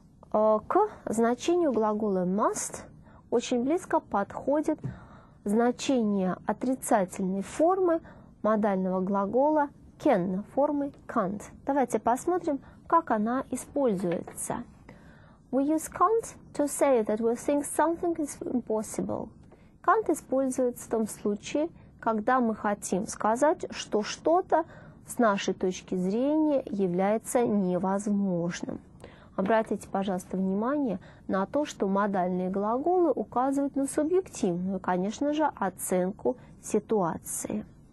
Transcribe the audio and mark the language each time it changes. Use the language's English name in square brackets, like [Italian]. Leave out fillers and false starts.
[Russian] К значению глагола must очень близко подходит значение отрицательной формы модального глагола can, формы can't. Давайте посмотрим, как она используется. [English] We use can't to say that we think something is impossible. [Russian] Can't используется в том случае, когда мы хотим сказать, что что-то с нашей точки зрения является невозможным. Обратите, пожалуйста, внимание на то, что модальные глаголы указывают на субъективную, конечно же, оценку ситуации.